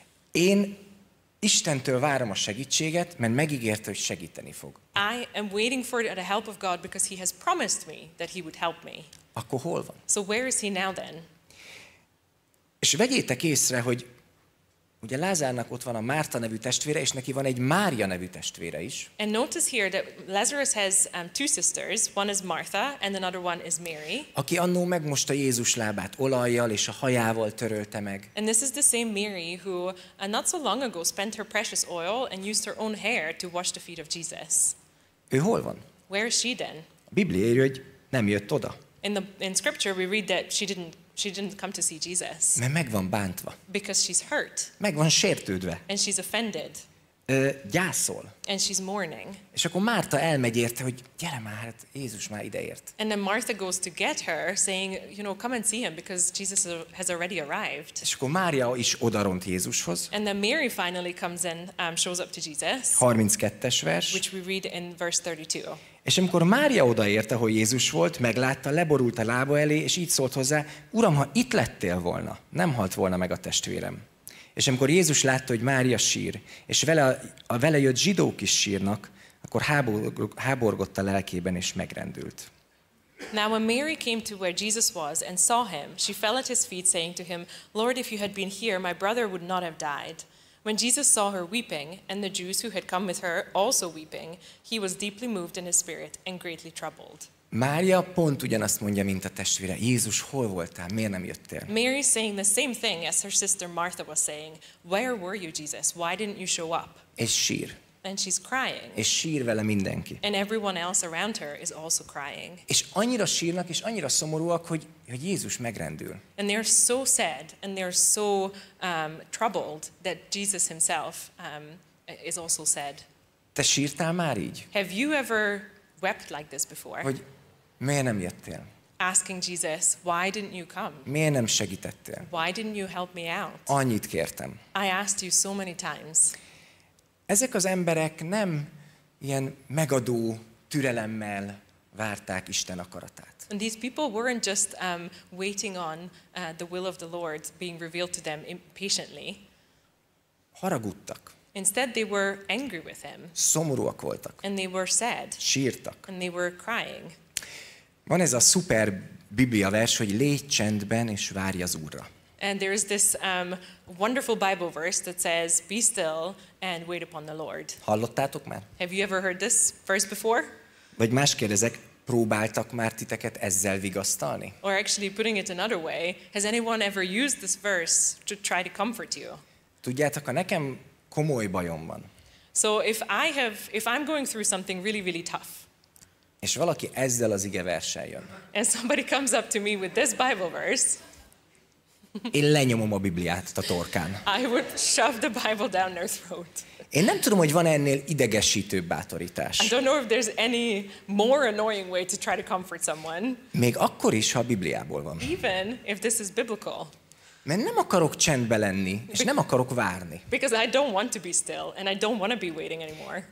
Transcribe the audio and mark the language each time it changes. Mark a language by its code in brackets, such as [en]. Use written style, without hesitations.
[hu] Én Istentől várom a segítséget, mert megígérte, hogy segíteni fog. [en] I am waiting for the help of God because he has promised me that he would help me. [hu] Akkor hol van? [en] So where is he now then? [hu] És vegyétek észre, hogy ugye Lázárnak ott van a Márta nevű testvére, és neki van egy Mária nevű testvére is. [en] And notice here that Lazarus has two sisters, one is Martha, and another one is Mary. [hu] Aki annó megmosta Jézus lábát olajjal és a hajával törölte meg. [en] And this is the same Mary who not so long ago spent her precious oil and used her own hair to wash the feet of Jesus. [hu] Ő hol van? [en] Where is she then? [hu] A Biblia írja, hogy nem jött oda. [en] In scripture we read that she didn't come to see Jesus. [hu] Mert meg van bántva. [en] Because she's hurt. [hu] Meg van sértődve. [en] And she's offended. [hu] Gyászol. [en] And she's mourning. [hu] És akkor Márta elmegy érte, hogy gyere már, Jézus már ideért. [en] And then Martha goes to get her, saying, you know, come and see him, because Jesus has already arrived. [hu] És akkor Mária is odaront Jézushoz. [en] And then Mary finally comes and shows up to Jesus. [hu] 32-es vers. [en] Which we read in verse 32. [hu] És amikor Mária odaérte, hogy Jézus volt, meglátta, leborult a lába elé, és így szólt hozzá, Uram, ha itt lettél volna, nem halt volna meg a testvérem. És amikor Jézus látta, hogy Mária sír, és vele jött zsidók is sírnak, akkor háborgott a lelkében és megrendült. [en] Now when Mary came to where Jesus was and saw him, she fell at his feet saying to him, Lord, if you had been here, my brother would not have died. When Jesus saw her weeping and the Jews who had come with her also weeping, he was deeply moved in his spirit and greatly troubled. [hu] Mária pont ugyanazt mondja, mint a testvére. Jézus, hol voltál? Miért nem jöttél? [en] Mary saying the same thing as her sister Martha was saying, where were you, Jesus? Why didn't you show up? [hu] És sír. [en] And she's crying. [hu] És sír vele mindenki. [en] And everyone else around her is also crying. [hu] És annyira sírnak és annyira szomorúak, hogy Jézus megrendül. [en] And they're so sad and they're so troubled that Jesus himself is also sad. [hu] Te sírtál már így? [en] Have you ever wept like this before? [hu] Hogy miért nem jöttél? [en] Asking Jesus, why didn't you come? [hu] Miért nem segítettél? [en] Why didn't you help me out? [hu] Annyit kértem. [en] I asked you so many times. [hu] Ezek az emberek nem ilyen megadó türelemmel várták Isten akaratát. [en] And these people weren't just waiting on the will of the Lord being revealed to them impatiently. [hu] Haragudtak. [en] Instead they were angry with him. [hu] Szomorúak voltak. [en] And they were sad. [hu] Sírtak. [en] And they were crying. [hu] Van ez a szuper Biblia vers, hogy légy csendben és várj az Úrra. [en] And there is this wonderful Bible verse that says, be still and wait upon the Lord. [hu] Hallottátok már? [en] Have you ever heard this verse before? [hu] Vagy más kérdezek, próbáltak már titeket ezzel vigasztalni? [en] Or actually putting it another way, has anyone ever used this verse to try to comfort you? [hu] Tudjátok, ha nekem komoly bajom van. [en] So if I'm going through something really, really tough. [hu] És valaki ezzel az ige verssel jön. [en] And somebody comes up to me with this Bible verse. [hu] Én lenyomom a Bibliát a torkán. [en] I would shove the Bible down their throat. [hu] Én nem tudom, hogy van ennél idegesítő bátorítás. [en] I don't know if there's any more annoying way to try to comfort someone. [hu] Még akkor is, ha a Bibliából van. [en] Even if this is biblical. [hu] Mert nem akarok csendben lenni, és nem akarok várni. [en] Because I don't want to be still, and I don't want to be waiting anymore.